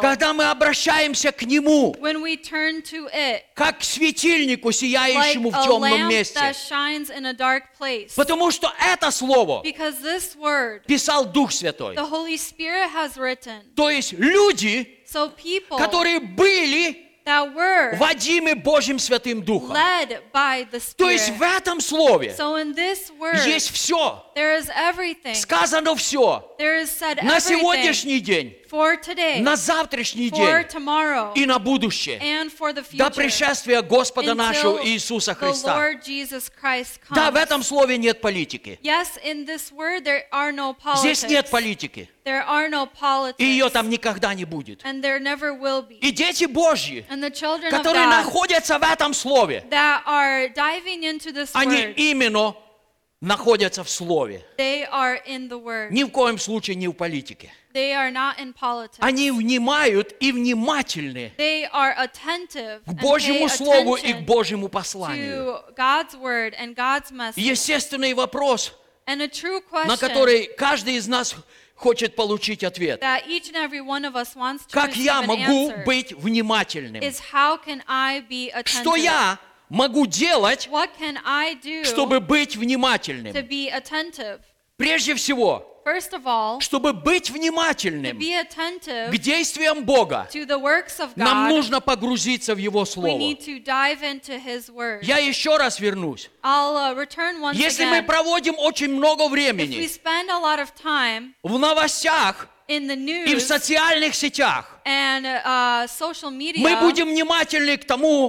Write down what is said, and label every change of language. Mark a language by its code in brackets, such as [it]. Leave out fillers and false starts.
[ru] когда мы обращаемся к Нему, [en] when we turn to it, [ru] как к светильнику, сияющему [en] like [ru] в темном месте. [en] That shines in a dark place. [ru] Потому что это Слово [en] Because this word, [ru] писал Дух Святой. [en] The Holy Spirit has written. [ru] То есть люди, [en] so people, [ru] которые были [en] That were [ru] водимы Божьим Святым Духом. [en] Led by the Spirit. [ru] То есть в этом Слове [en] so in this word, [ru] есть все. [en] There is everything. [ru] Сказано все. [en] There is said [ru] На сегодняшний день [en] for today, [ru] на завтрашний день [en] tomorrow, [ru] и на будущее, [en] and for the future, [ru] до пришествия Господа нашего Иисуса Христа. [en] The Lord Jesus Christ comes. [ru] Да, в этом слове нет политики. [en] Yes, in this word there are no politics. [ru] Здесь нет политики. [en] There are no politics. [ru] И ее там никогда не будет. [en] And there never will be. [ru] И дети Божьи, [en] and the children [ru] которые [en] of God, [ru] находятся в этом слове, [en] that are diving into this word, [ru] они именно находятся в Слове. [en] They are in the word. [ru] Ни в коем случае не в политике. [en] They are not in politics. [ru] Они внимают и внимательны [en] they are attentive [ru] к Божьему Слову и к Божьему посланию. [en] To God's word and God's message. [ru] Естественный вопрос, [en] and a true question, [ru] на который каждый из нас хочет получить ответ. [en] That each and every one of us wants to [ru] как я могу быть внимательным? [en] Is how can I be attentive? [ru] Что я могу делать, чтобы быть внимательным? [en] To be attentive. [ru] Прежде всего, [en] first of all, [ru] чтобы быть внимательным [en] to be attentive [ru] к действиям Бога, [en] to the works of God, [ru] нам нужно погрузиться в Его Слово. [en] We need to dive into His word. [ru] Я еще раз вернусь. [en] I'll return once [ru] если [en] again, [ru] мы проводим очень много времени [en] if we spend a lot of time [ru] в новостях [en] in the news, [ru] и в социальных сетях, [en] and social media, [ru] мы будем внимательны к тому,